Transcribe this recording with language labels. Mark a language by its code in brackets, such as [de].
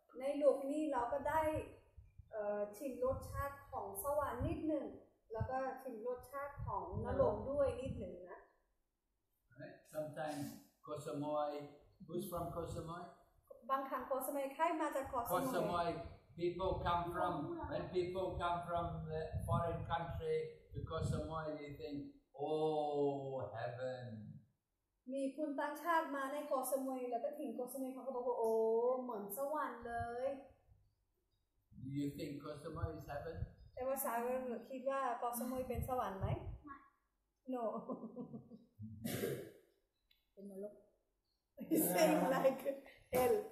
[th] ในโลกนี้เราก็ได้ชิมรสชาติของสวรรค์นิดหนึ่งแล้วก็ชิมรสชาติของนรกด้วยนิดหนึ่งนะ [en] Sometimes Kosamoy, who's from Kosamoy? [th] บางครั้งKosamoy ใครมาจาก Kosamoy [en] Kosamoy people come from when people come from the foreign country to Kosamoy they think oh heaven [th] มีคนต่างชาติมาในKosamoyแล้วก็ถึงKosamoyเขาก็บอกว่าโอ้เหมือนสวรรค์เลย [en] Do you think Kosamoy is heaven? [th] แต่ว่าสาวเราคิดว่าKosamoyเป็นสวรรค์ไหม No เป็นนรก [en] He's saying like hell